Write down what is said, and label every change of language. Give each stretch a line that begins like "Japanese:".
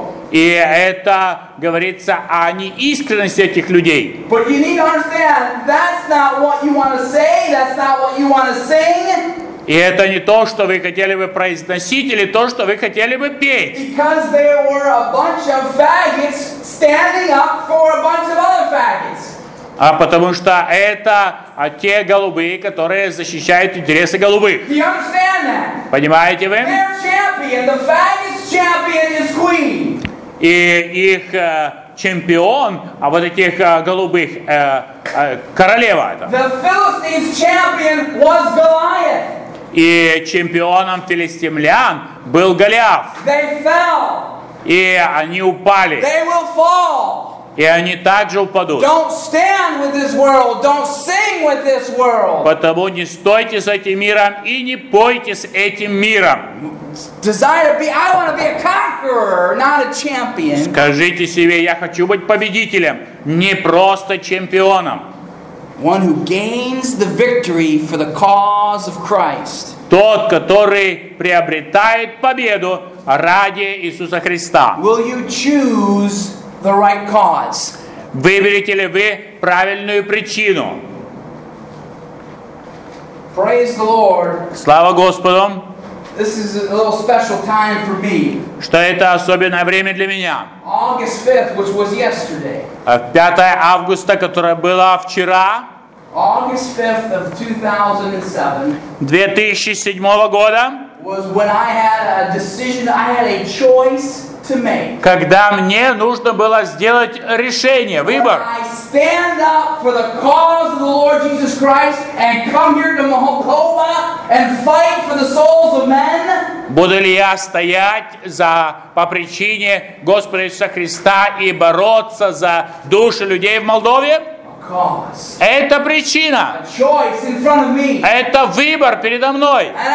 Russian: И это говорится о неискренности этих людей.
English: But you need to understand, that's not what you want to say, that's not what you want to sing.
Russian: И это не то, что вы хотели бы произносить, или то, что вы хотели бы петь.
English: Because there were a bunch of faggots standing up for a bunch of other faggots.
Russian: А потому что это те голубые, которые защищают интересы голубых.
English: Do you understand that?
Russian: Понимаете вы?
English: Their champion, the faggots champion is Queen.
Russian: И их чемпион, а вот этих голубых, королева это.
English: The Philistines champion was Goliath.
Russian: И чемпионом филистимлян был Голиаф.
English: They fell.
Russian: И они упали.
English: They will fall.
Russian: И они также упадут.
English: Don't stand with this world. Don't sing with this world.
Russian: Потому не стойте с этим миром и не пойте с этим миром.
English: I want to be a conqueror, not a champion.
Russian: Скажите себе, я хочу быть победителем, не просто чемпионом.
English: One who gains the victory for the cause of Christ.
Russian: Тот, который приобретает победу ради Иисуса Христа.
English: Will you choose the right cause?
Russian: Выберете ли вы правильную причину?
English: Praise the Lord.
Russian: Слава Господу.
English: This is a little special time for me.
Russian: Что это особенное время для меня?
English: August 5th, which was yesterday.
Russian: 5 августа, которое было вчера.
English: August 5th of 2007.
Russian: 2007 года.
English: Was when I had a decision, I had a choice to make.
Russian: Когда мне нужно было сделать решение, выбор.
English: I stand up for the cause of the Lord Jesus Christ and come here to Mahokova and fight for the souls of men.
Russian: Буду ли я стоять за по причине Господа Иисуса Христа и бороться за души людей в Молдове? Это причина. Это выбор передо мной.